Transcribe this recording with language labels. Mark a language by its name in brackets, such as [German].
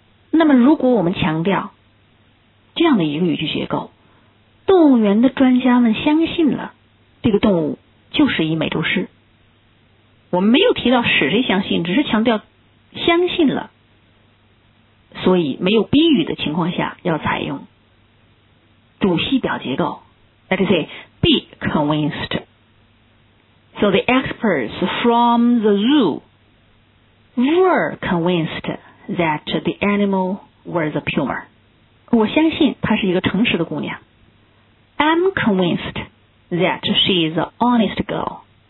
[Chinese] 那么如果我们强调这样的一个语句结构，动物园的专家们相信了这个动物就是一美洲狮，我们没有提到使谁相信，只是强调相信了，所以没有宾语的情况下要采用主系表结构。 [English] That is a be convinced. So the experts from the zoo were convinced that the animal was a puma. [Chinese] 我相信她是一个诚实的姑娘。 [English] I'm convinced that she is an honest girl.